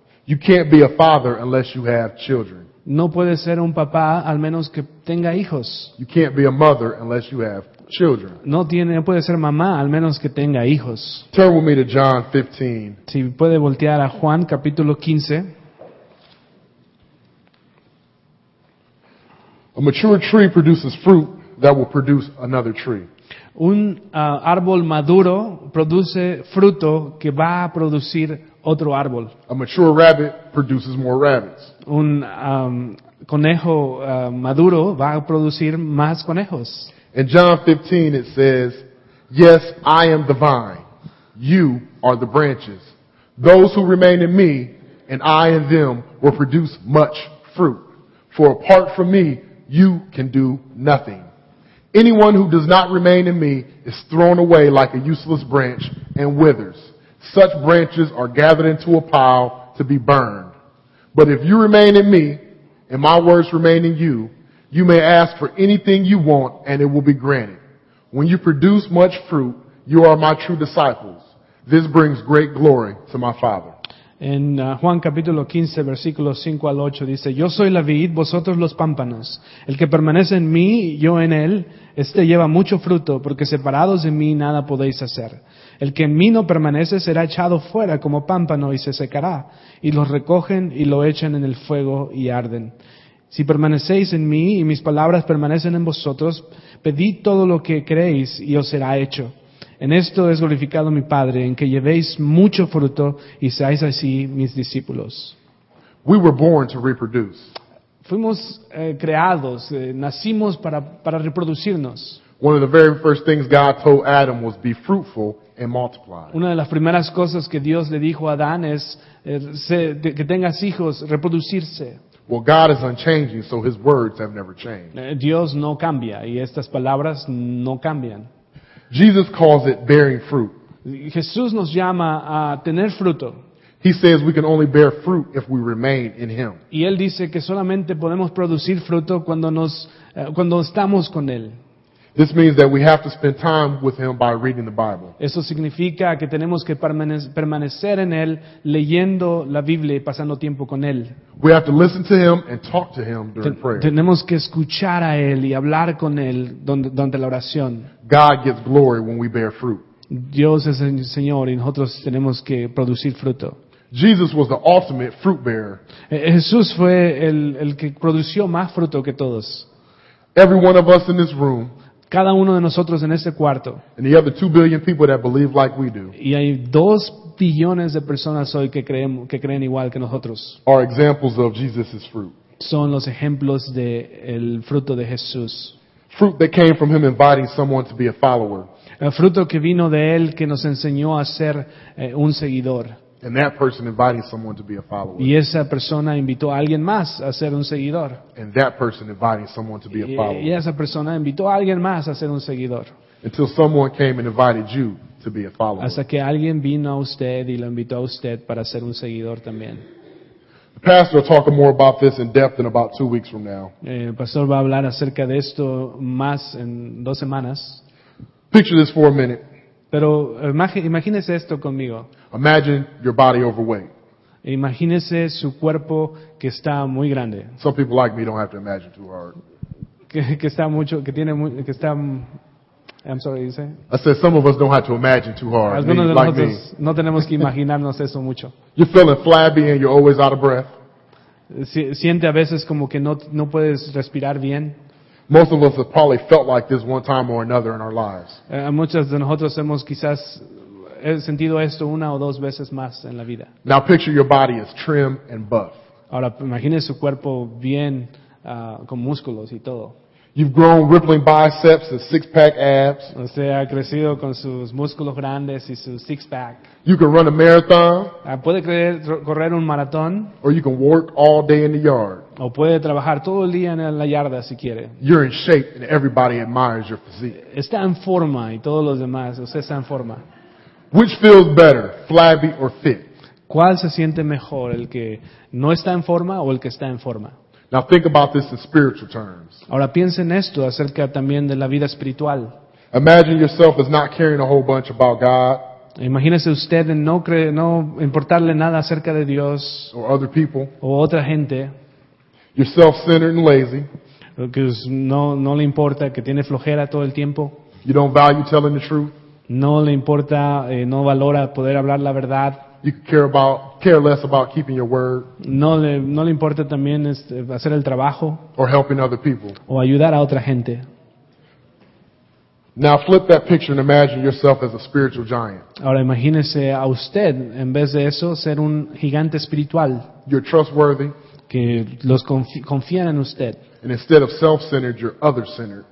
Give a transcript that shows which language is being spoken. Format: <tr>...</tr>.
<en>You can't be a father unless you have children.</en> <es>No puede ser un papá al menos que tenga hijos.</es> <en>You can't be a mother unless you have children.</en> <es>No puede ser mamá al menos que tenga hijos.</es> <en>Turn with me to John 15.</en> <es>Si puede voltear a Juan capítulo 15.</es> <en>A mature tree produces fruit that will produce another tree.</en> <es>Un árbol maduro produce fruto que va a producir otro árbol.</es> <en>A mature rabbit produces more rabbits.</en> <es>Un conejo maduro va a producir más conejos.</es> <en>In John 15 it says, "Yes, I am the vine. You are the branches. Those who remain in me and I in them will produce much fruit. For apart from me, you can do nothing. Anyone who does not remain in me is thrown away like a useless branch and withers. Such branches are gathered into a pile to be burned. But if you remain in me and my words remain in you, you may ask for anything you want and it will be granted. When you produce much fruit, you are my true disciples. This brings great glory to my Father."</en> <es>En Juan capítulo 15, versículos 5 al 8, dice, "Yo soy la vid, vosotros los pámpanos. El que permanece en mí, yo en él, este lleva mucho fruto, porque separados de mí nada podéis hacer. El que en mí no permanece será echado fuera como pámpano y se secará, y los recogen y lo echan en el fuego y arden. Si permanecéis en mí y mis palabras permanecen en vosotros, pedid todo lo que queréis y os será hecho. En esto es glorificado mi Padre, en que llevéis mucho fruto y seáis así mis discípulos.</es> <en>We were born to reproduce.</en> <es>Fuimos creados, nacimos para reproducirnos.</es> <en>One of the very first things God told Adam was be fruitful and multiply.</en> <es>Una de las primeras cosas que Dios le dijo a Adán es que tengas hijos, reproducirse.</es> <en>Well, God is unchanging, so His words have never changed.</en> <es>Dios no cambia y estas palabras no cambian.</es> <en>Jesus calls it bearing fruit.</en> <es>Jesús nos llama a tener fruto.</es> <en>He says we can only bear fruit if we remain in Him.</en> <es>Y él dice que solamente podemos producir fruto cuando estamos con él.</es> <en>This means that we have to spend time with Him by reading the Bible.</en> <es>Eso significa que tenemos que permanecer en él leyendo la Biblia y pasando tiempo con él.</es> <en>We have to listen to Him and talk to Him during prayer.</en> <es>Tenemos que escuchar a él y hablar con él durante la oración.</es> <en>God gets glory when we bear fruit.</en> <es>Dios es el Señor y nosotros tenemos que producir fruto.</es> <en>Jesus was the ultimate fruit bearer.</en> <es>Jesús fue el que produjo más fruto que todos.</es> <en>Every one of us in this room.</en> <es>Cada uno de nosotros en ese cuarto.</es> <en>And the other 2 billion people that believe like we do.</en> <es>Y hay 2 billones de personas hoy que creen igual que nosotros.</es> <en>Are examples of Jesus's fruit.</en> <es>Son los ejemplos de el fruto de Jesús.</es> <en>Fruit that came from him inviting someone to be a follower.</en> <es>El fruto que vino de él que nos enseñó a ser un seguidor.</es> <en>And that person inviting someone to be a follower.</en> <es>Y esa persona invitó a alguien más a ser un seguidor.</es> <en>And that person inviting someone to be a follower.</en> <es>Y esa persona invitó a alguien más a ser un seguidor.</es> <en>Until someone came and invited you to be a follower.</en> <es>Hasta que alguien vino a usted y lo invitó a usted para ser un seguidor también.</es> <en>The pastor will talk more about this in depth in about 2 weeks from now.</en> <es>El pastor va a hablar acerca de esto más en 2 semanas.</es> <en>Picture this for a minute.</en> <es>Pero imagínese esto conmigo.</es> <en>Imagine your body overweight.</en> <es>Imagínese su cuerpo que está muy grande.</es> <en>Some people like me don't have to imagine too hard. I'm sorry, you say? I said some of us don't have to imagine too hard.</en> <es>Algunos</es> <en>like</en> <es>de nosotros no tenemos que imaginarnos eso mucho.</es> <en>You're feeling flabby and you're always out of breath.</en> <es>Siente a veces como que no puedes respirar bien.</es> <en>Most of us have probably felt like this one time or another in our lives.</en> <es>Muchos de nosotros hemos quizás sentido esto una o dos veces más en la vida.</es> <en>Now picture your body as trim and buff.</en> <es>Ahora imagine su cuerpo bien con músculos y todo.</es> <en>You've grown rippling biceps and six-pack abs.</en> <es>O sea, ha crecido con sus músculos grandes y su six-pack.</es> <en>You can run a marathon.</en> <es>Puede correr un maratón.</es> <en>Or you can work all day in the yard.</en> <es>O puede trabajar todo el día en la yarda si quiere.</es> <en>You're in shape and everybody admires your physique.</en> <es>Está en forma y todos los demás, usted está en forma.</es> <en>Which feels better, flabby or fit?</en> <es>¿Cuál se siente mejor, el que no está en forma o el que está en forma?</es> <en>Now think about this in spiritual terms.</en> <es>Ahora piensen esto acerca también de la vida espiritual.</es> <en>Imagine yourself as not caring a whole bunch about God.</en> <es>Imagínese usted en no importarle nada acerca de Dios.</es> <en>Or other people.</en> <es>O otra gente.</es> <en>You're self-centered and lazy. Because</en> <es>no le importa que tiene flojera todo el tiempo.</es> <en>You don't value telling the truth.</en> <es>No le importa, no valora poder hablar la verdad.</es> <en>You care less about keeping your word.</en> <es>No le importa también hacer el trabajo.</es> <en>Or helping other people.</en> <es>O ayudar a otra gente.</es> <en>Now flip that picture and imagine yourself as a spiritual giant.</en> <es>Ahora imagínese a usted en vez de eso ser un gigante espiritual.</es> <en>You're trustworthy.</en> <es>Que los confían en usted.</es> <en>And instead of self-centered, you're other-centered.</en>